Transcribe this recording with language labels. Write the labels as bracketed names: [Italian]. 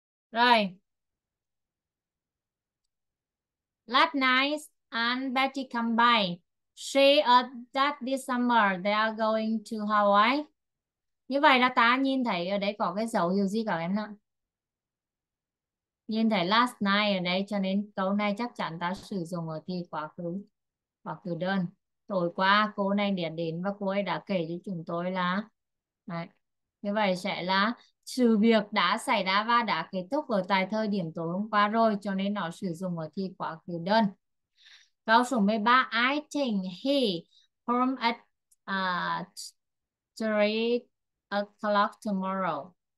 [Vietnamese] Rồi. [English] Last night, Aunt Betty come by. She that this summer, they are going to Hawaii. [Vietnamese] Như vậy là ta nhìn thấy ở đây có cái dấu hiệu gì cả em ạ? Nhìn thấy last night ở đây cho nên câu này chắc chắn ta sử dụng ở thi quá khứ. Quá khứ đơn. Tối qua cô này đến đến và cô ấy đã kể cho chúng tôi là đấy. Như vậy sẽ là sự việc đã xảy ra và đã kết thúc ở tại thời điểm tối hôm qua rồi, cho nên nó sử dụng ở thi quá khứ đơn. Câu số 13, [English] I think he home at 3 o'clock tomorrow.